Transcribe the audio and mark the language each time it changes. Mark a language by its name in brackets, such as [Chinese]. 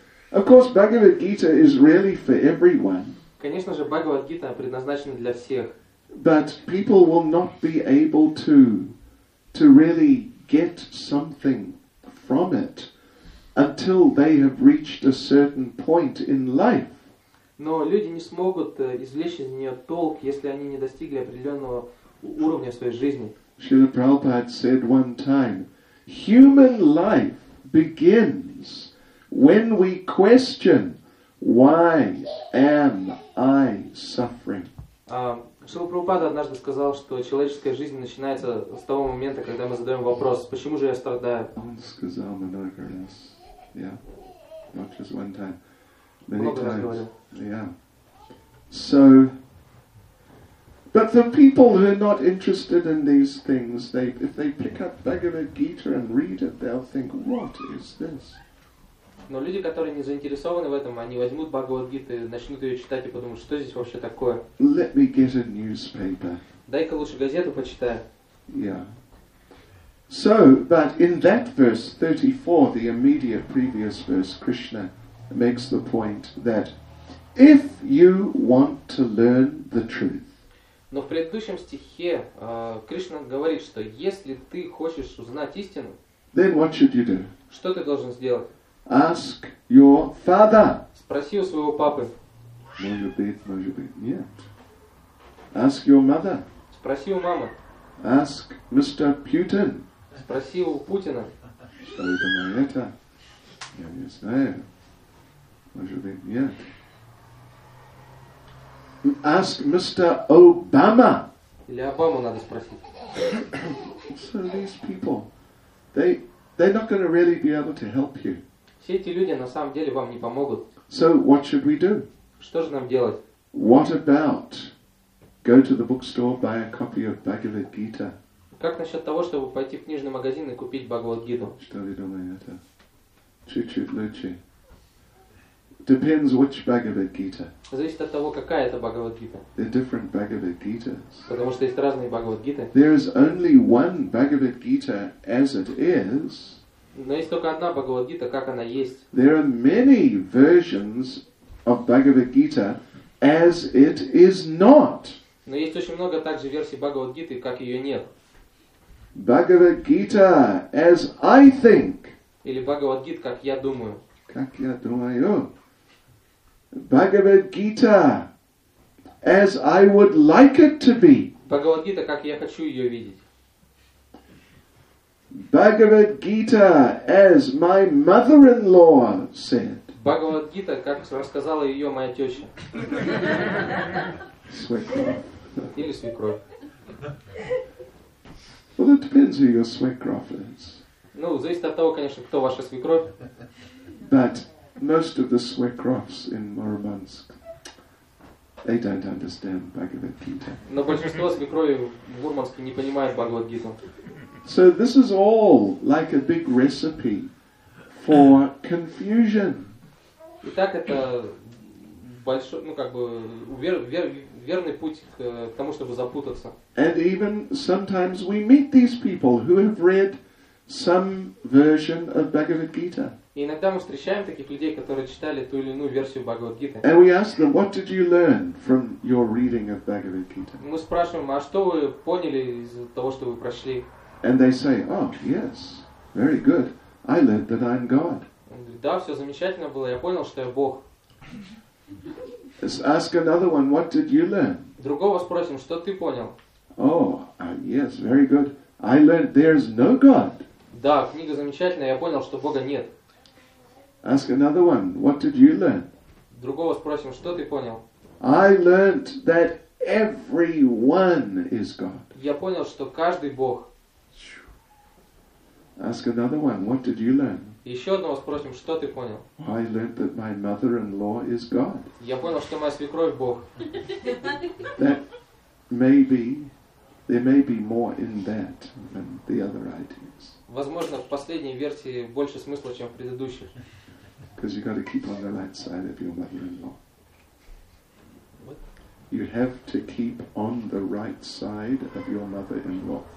[English] Of course, Bhagavad Gita is really for everyone. [Russian] Конечно же, Bhagavad Gita предназначена для всех. [English] But people will not be able to really get something from it until they have reached a certain point in life. [Russian] Но люди не смогут извлечь из нее толк, если они не достигли определенного уровня в своей жизни. [English] Srila Prabhupada said one time, human life begins when we question, why am I suffering? [Russian] Srila Prabhupada однажды сказал, что человеческая жизнь начинается с того момента, когда мы задаем вопрос, почему же я страдаю? Он сказал много раз, [English] yeah, not just one time, many [Russian] много [English] times, [Russian] говорил. [English] Yeah, so... But the people who are not interested in these things, if they pick up Bhagavad Gita and read it, they'll think, what is this? [Russian] Но люди, которые не заинтересованы в этом, они возьмут Бхагавад Гиту, начнут ее читать и подумают, что здесь вообще такое? [English] Let me get a newspaper. [Russian] Дай-ка лучше газету почитаю. [English] Yeah. So, but in that verse 34, the immediate previous verse, Krishna makes the point that if you want to learn the truth. [Russian] Но в предыдущем стихе Кришна говорит, что если ты хочешь узнать истину, [English] then what should you do? [Russian] Что ты должен сделать? [English] Ask your father. [Russian] Спроси у своего папы. Может быть, нет. [English] Ask your mother. [Russian] Спроси у мамы. [English] Ask Mr. Putin. [Russian] Спроси у Путина. Что это на это? Я не знаю. Может быть, нет. [English] Ask Mr. Obama. [Russian] Или Обаму надо спросить. [English] So these people, they're not going to really be able to help you. [Russian] Все эти люди на самом деле вам не помогут. [English] So what should we do? [Russian] Что же нам делать? [English] What about go to the bookstore, buy a copy of Bhagavad Gita? [Russian] Как насчет того, чтобы пойти в книжный магазин и купить Бхагавад Гиту? Что вы думаете? Чуть-чуть лучше. [English] Depends which Bhagavad Gita. [Russian] Зависит от того, какая это Бхагавад Гита. [English] They're different Bhagavad Gitas. [Russian] Потому что есть разные Бхагавад Гиты. [English] There is only one Bhagavad Gita as it is. [Russian] Но есть только одна Бхагавад Гита, как она есть. [English] There are many versions of Bhagavad Gita as it is not. [Russian] Но есть очень много также версий Бхагавад Гиты, как ее нет. [English] Bhagavad Gita as I think. [Russian] Или Бхагавад Гит, как я думаю. Как я думаю. [English] Bhagavad Gita, as I would like it to be. [Russian] Bhagavad Gita, как я хочу ее видеть. [English] Bhagavad Gita, as my mother-in-law said. [Russian] Bhagavad Gita, как рассказала ее моя теща. Свекровь. Или свекровь. [English] Well, it depends who your свекровь is. [Russian] Ну, зависит от того, конечно, кто ваша свекровь. [English] But most of the swekrovs in Murmansk, they don't understand Bhagavad Gita. [Russian] Но большинство свекрови в Мурманске не понимает Бхагавад Гиту. [English] So this is all like a big recipe for confusion. [Russian] Итак, это большой, ну как бы верный путь к тому, чтобы запутаться. [English] And even sometimes we meet these people who have read some version of Bhagavad Gita. [Russian] И иногда мы встречаем таких людей, которые читали ту или иную версию Бхагавад Гиты. [English] And we ask them, what did you learn from your reading of Bhagavad Gita? [Russian] Мы спрашиваем, а что вы поняли из того, что вы прочли? [English] And they say, oh yes, very good. I learned that I'm God. [Russian] Да, все замечательно было. Я понял, что я Бог. [English] Ask another one, what did you learn? [Russian] Другого спросим, что ты понял? [English] Oh yes, very good. I learned there's no God. [Russian] Да, книга замечательная. Я понял, что Бога нет. [English] Ask another one, what did you learn? [Russian] Другого спросим, что ты понял? [English] I learned that everyone is God. [Russian] Я понял, что каждый Бог. [English] Ask another one, what did you learn? [Russian] Еще одного спросим, что ты понял? [English] I learned that my mother-in-law is God. [Russian] Я понял, что моя свекровь Бог. [English] That may be, there may be more in that than the other ideas. [Russian] Возможно, в последней версии больше смысла, чем в предыдущих. [English] Because you got to keep on the right side of your mother-in-law. You have to keep on the right side of your mother-in-law.